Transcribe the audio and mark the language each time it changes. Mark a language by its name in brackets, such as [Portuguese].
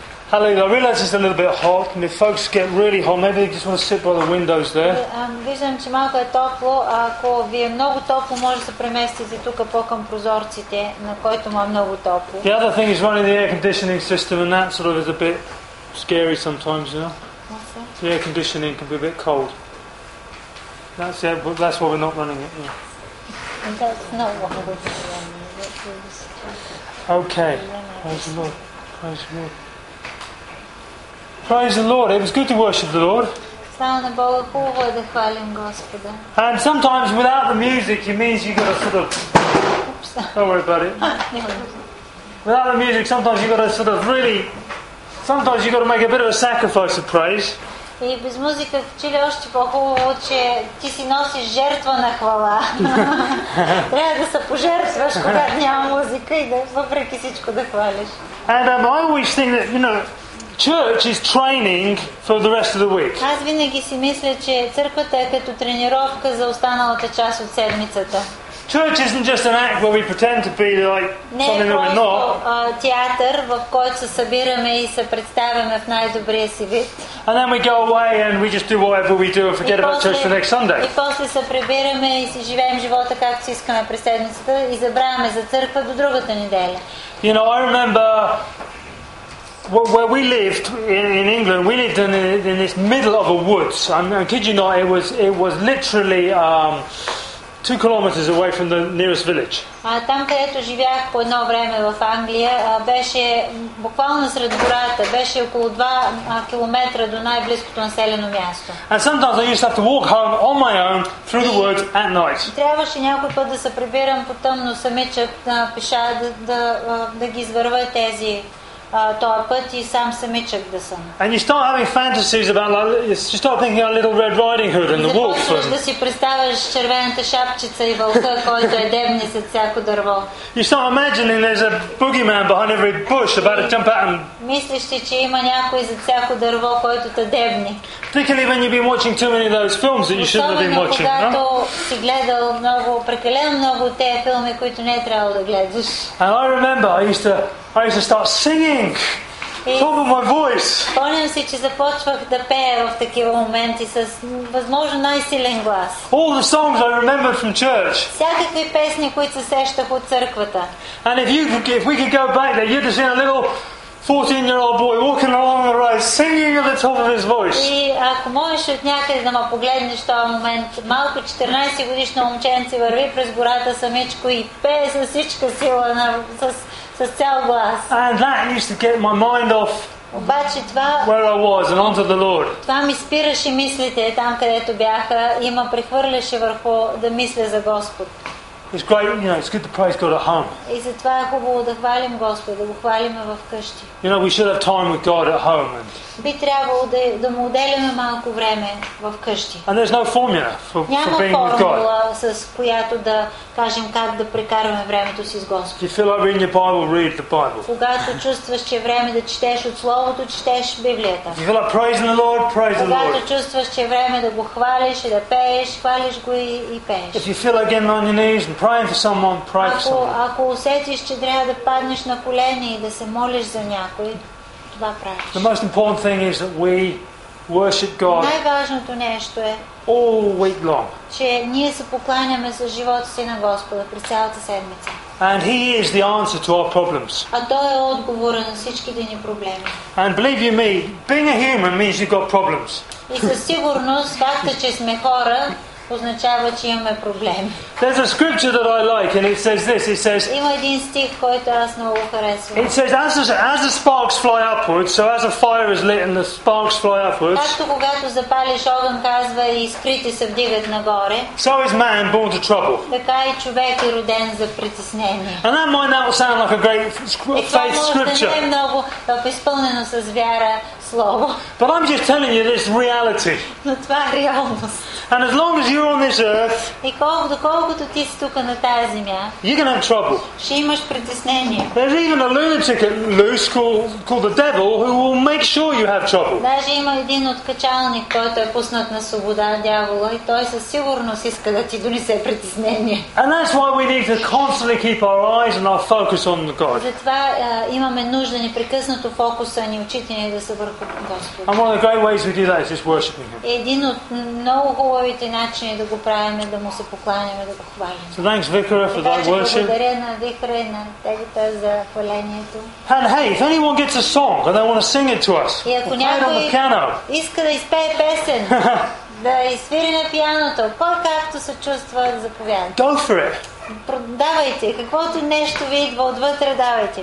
[English] A little bit hot, and if folks get really hot, maybe they just want to sit by the windows there. [Bulgarian] Виждам, че малко е топло, ако ви е много топло, може да се преместите тук по-към прозорците, на който му е много топло. [English] The other thing is running the air conditioning system, and that sort of is a bit scary sometimes, you know. What's that? The air conditioning can be a bit cold. That's it, but that's why we're not running it. Yeah. That's not why we're running it. Okay. Praise the Lord. Praise the Lord. Praise the Lord. It was good to worship the Lord. And sometimes without the music, it means you've got to sort of... Oops. Don't worry about it. Without the music, sometimes you've got to sort of really... Sometimes you've got to make a bit of a sacrifice of praise. [Bulgarian] И без музика чили още по-хубаво, че ти си носиш жертва на хвала. Трябва да се пожертваш, когато няма музика и да въпреки всичко да хвалиш. [English] And I always think that, you know... Church is training for the rest of the week. [Bulgarian] Аз винаги си мисля, че църквата е като тренировка за останалата част от седмицата. [English] Church isn't just an act where we pretend to be like something that we're not. [Bulgarian] Театър, в който се събираме и се представяме в най-добрия си вид. [English] And then we go away and we just do whatever we do and forget about church the next Sunday. [Bulgarian] И после се прибираме и си живеем живота както си искаме през седмицата и забравяме за църква до другата неделя. [English] You know, I remember where we lived in England. We lived in this middle of a woods. I kid you not, it was literally 2 kilometers away from the nearest village. [Bulgarian] Там където живях по едно време в Англия, беше буквално сред гората, беше около 2 километра до най-близкото населено място. [English] And sometimes I used to have to walk home on my own through the woods at night. [Bulgarian] Трябваше някой път да се прибирам по тъмно самичък, пеша, да ги извървя тези тоя път и сам самичък да съм. [English] And you start having fantasies about like, you start thinking about Little Red Riding Hood and the wolf. [Bulgarian] Да си представяш червената шапчица и вълка, който е дебни с всяко дърво. [English] You start imagining there's a boogeyman behind every bush about to jump out and... [Bulgarian] Мислиш ти, че има някой за всяко дърво, който те дебни. [English] Particularly when you've been watching too many of those films that you shouldn't have been watching, no? [Bulgarian] Особено когато си гледал много, прекалено много от тези филми, които не е трябвало да гледаш. [English] And I remember I used to start singing, top of my voice. [Bulgarian] Спомням си, че започвах да пея в такива моменти с възможно най-силен глас. [English] All the songs I remembered from church. [Bulgarian] Всякакви песни, които се сещах от църквата. [English] And if we could go back there, you'd have seen a little 14-year-old boy walking along the road, singing at the top of his voice. [Bulgarian] И ако можеш от някъде да ме погледнеш този момент, малко 14-годишно момченце върви през гората самичко и пее със всичка сила на с цял глас. [English] And that used to get my mind off. [Bulgarian] Обаче това, [English] where I was and onto the Lord. [Bulgarian] Това ми спираше мислите там, където бяха, и ме прехвърляше върху да мисля за Господ. [English] It's great, you know, it's good to praise God at home. [Bulgarian] И затова е хубаво да хвалим Господа, да го хвалиме вкъщи. [English] You know, we should have time with God at home. And... [Bulgarian] би трябвало да му отделяме малко време вкъщи. [English] And there's no formula for being with God. [Bulgarian] Няма формула, с която да кажем как да прекараме времето си с Господ. [English] If you feel like reading your Bible, read the Bible. [Bulgarian] Когато чувстваш, че е време да четеш от Словото, четеш Библията. [English] If you feel like praising the Lord, praise the Lord. [Bulgarian] Когато чувстваш, че е време да го хвалиш и да пееш, хвалиш го и пееш. [English] If you feel like getting on your knees and praying for someone, pray for someone. [Bulgarian] Ако усетиш, че трябва да паднеш на колени и да се молиш за някой, това правиш. [English] The most important thing is that we worship God. [Bulgarian] Най-важното нещо е [English] all week long. [Bulgarian] Че ние се покланяме за живота си на Господа през цялата седмица. [English] And He is the answer to our problems. [Bulgarian] А Той е отговорът на всичките ни проблеми. [English] And believe you me, being a human means you've got problems. [Bulgarian] И със сигурност факта, че сме хора, означава, че имаме проблеми. [English] There's a scripture that I like, and it says this. It says. [Bulgarian] Има един стих, който аз много харесвам. [English] It says, as the sparks fly upwards, so as a fire is lit and the sparks fly upwards. [Bulgarian] Както когато запалиш огън, казва, и искрите се вдигат нагоре. [English] So is man born to trouble. [Bulgarian] Така и човек е роден за притеснение. [English] And that might not sound like a great faith scripture. [Bulgarian] Това може да не е много изпълнено с вяра слово. [English] But I'm just telling you this reality. [Bulgarian] Но това е реалност. [English] And as long as you're on this earth, [Bulgarian] и доколкото ти си тук на тази земя, [English] you're gonna have trouble. [Bulgarian] Ще имаш притеснение. [English] There's even a lunatic at loose called the devil who will make sure you have trouble. [Bulgarian] Даже има един откачалник, който е пуснат на свобода, дявола, и той със сигурност иска да ти донесе притеснение. [English] And that's why we need to constantly keep our eyes and our focus on God. [Bulgarian] Затова имаме нужда непрекъснато фокуса ни, очите ни да са върху Господ. [English] And one of the great ways we do that is just worshiping Him. [Bulgarian] Един от много хубавите начини да го правим, да му се покланяме, да го хвалим. [English] So thanks, Vikra, for that worship. [Bulgarian] Благодаря на Vikra и на Тегата за хвалението. [English] And hey, if anyone gets a song and they want to sing it to us, play it on the piano. [Bulgarian] Иска да изпее песен, да изсвири на пианото, кой както се чувства, заповядайте. [English] Go for it. [Bulgarian] Давайте, каквото нещо ви идва отвътре, давайте.